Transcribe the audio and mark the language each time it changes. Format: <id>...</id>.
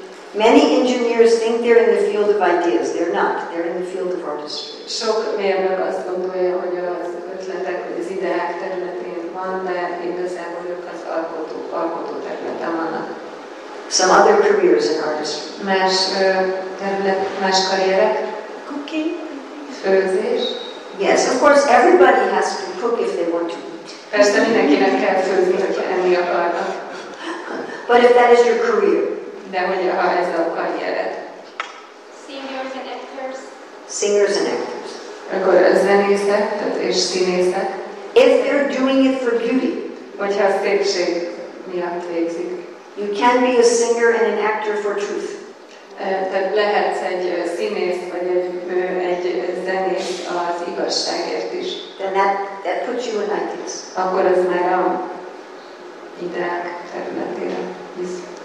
<en>Many engineers think they're in the field of ideas. They're not. They're in the field of artistry.</en> <hu>Sok mérnök azt gondolja, hogy az ötletek, hogy az ideák területén van, de igazából ők az alkotó területen vannak.</hu> <en>Some other careers in artistry.</en> <hu>Más terület, más karrierek.</hu> <en>Cooking.</en> <hu>Főzés.</hu> <en>Yes, of course, everybody has to cook if they want to eat.</en> <hu>Persze mindenkinek kell főzni, hogyha enni akarnak.</hu> <en>But if that is your career.</en> <hu>De hogy ha ez a karriered.</hu> <en>Singers and actors. Singers and actors.</en> <hu>Akkor a zenészek, tehát és színészek.</hu> <en>If they're doing it for beauty.</en> <hu>Hogyha a szépség miatt végzik.</hu> <en>You can be a singer and an actor for truth.</en> <hu>Tehát lehetsz egy színész, vagy egy zenész az igazságért is.</hu> <en>Then that puts you in ideas.</en> <hu>Akkor ez már a ideák területére visz.</hu>